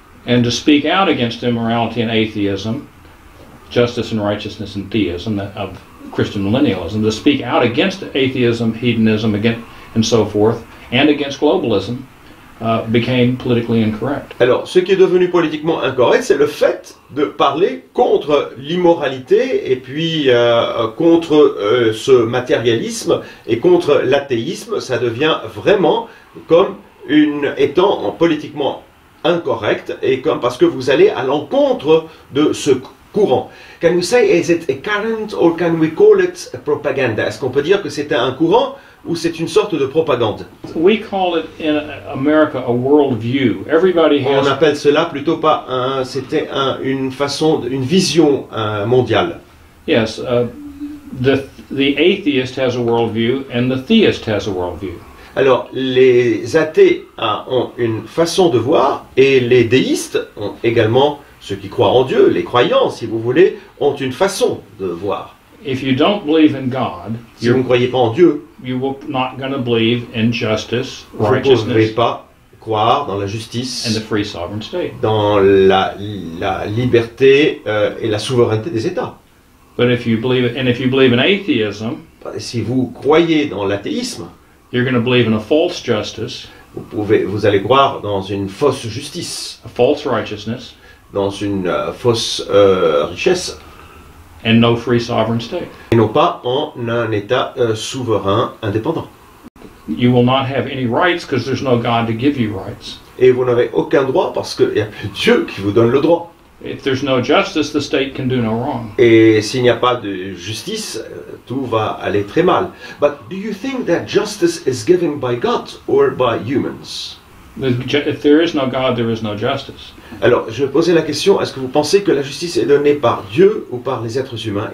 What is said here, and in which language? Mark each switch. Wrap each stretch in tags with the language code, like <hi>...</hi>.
<en>And to speak out against immorality and atheism, justice and righteousness and theism of Christian millennialism, to speak out against atheism, hedonism, and so forth, and against globalism. Became politically incorrect.</en> <fr>Alors, ce qui est devenu politiquement incorrect, c'est le fait de parler contre l'immoralité et puis contre ce matérialisme et contre l'athéisme. Ça devient vraiment comme étant politiquement incorrect et comme parce que vous allez à l'encontre de ce courant.</fr> <en>Can we say, is it a current or can we call it a propaganda?</en> <fr>Est-ce qu'on peut dire que c'est un courant ou c'est une sorte de propagande?</fr> <en>We call it in America a worldview. Everybody has...</en> <fr>On appelle cela plutôt pas un, c'était un, une façon, une vision mondiale.</fr> <en>Yes, the atheist has a worldview and the theist has a worldview.</en> <fr>Alors, les athées ont une façon de voir et les déistes ont également, ceux qui croient en Dieu, les croyants, si vous voulez, ont une façon de voir.</fr> <en>If you don't believe in God,</en> <fr>si vous ne croyez pas en Dieu,</fr> <en>you will not gonna believe in justice, righteousness,</en> <fr>vous ne pouvez pas croire dans la justice,</fr> <en>and the free sovereign state.</en> <fr>Dans la liberté et la souveraineté des États.</fr> <en>But if you believe, and if you believe in atheism,</en> <fr>si vous croyez dans l'athéisme,</fr> <en>you're going to believe in a false justice.</en> <fr>Vous allez croire dans une fausse justice.</fr> <en>A false righteousness.</en> <fr>Dans une fausse richesse.</fr> <en>And no free sovereign state.</en> <fr>Et non pas en un État souverain indépendant.</fr> <en>You will not have any rights because there's no God to give you rights.</en> <fr>Et vous n'avez aucun droit parce qu'il n'y a plus Dieu qui vous donne le droit.</fr> <en>If there's no justice, the state can do no wrong.</en> <fr>Et s'il n'y a pas de justice, tout va aller très mal.</fr> <en>But do you think that justice is given by God or by humans? If there is no God, there is no justice.</en> <fr>Alors, je vais poser la question, est-ce que vous pensez que la justice est donnée par Dieu ou par les êtres humains?</fr>